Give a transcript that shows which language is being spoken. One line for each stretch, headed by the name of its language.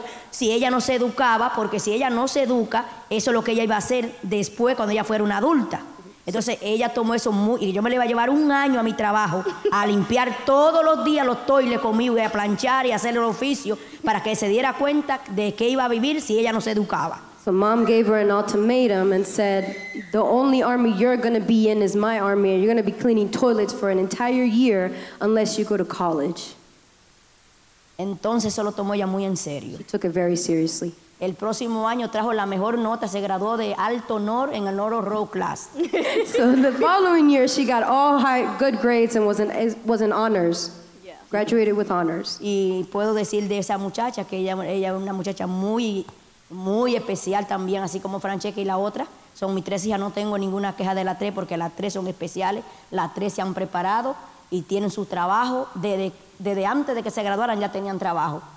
Spanish: Si ella no se educaba, porque si ella no se educa, eso es lo que ella iba a hacer después cuando ella fuera una adulta. Entonces ella tomó eso muy, y yo me le iba a llevar un año a mi trabajo a limpiar todos los días los toiles conmigo y a planchar y a hacer el oficio para que se diera cuenta de qué iba a vivir si ella no se educaba.
English: So mom gave her an ultimatum and said, the only army you're going to be in is my army and you're going to be cleaning toilets for an entire year unless you go to college.
Spanish: Entonces eso lo tomó ella muy en serio.
English: She took it very seriously.
Spanish: El próximo año trajo la mejor nota, se graduó de alto honor en el honor roll class.
English: So the following year she got all high good grades and was in honors. Yeah. Graduated with honors.
Spanish: Y puedo decir de esa muchacha que ella es una muchacha muy muy especial también, así como Francesca y la otra. Son mis tres hijas, no tengo ninguna queja de las tres porque las tres son especiales. Las tres se han preparado y tienen su trabajo desde antes de que se graduaran ya tenían trabajo.